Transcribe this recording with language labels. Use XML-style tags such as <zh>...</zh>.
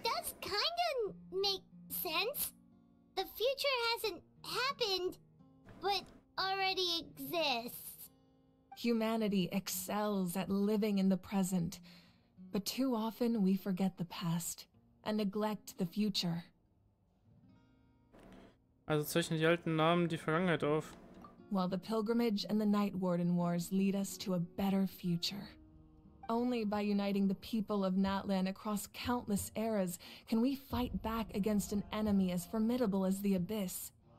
<en>That does kinda make sense. The future hasn't happened, but already exists. Humanity excels at living in the present, but too often we forget the past and neglect the future.</en> <de>Also zeichnen die alten Namen die Vergangenheit auf.</de> <en>While the Pilgrimage and the Night Warden Wars lead us to a better future. Only by uniting the people of Natlan across countless eras can we fight back against an enemy as formidable as the Abyss.</en>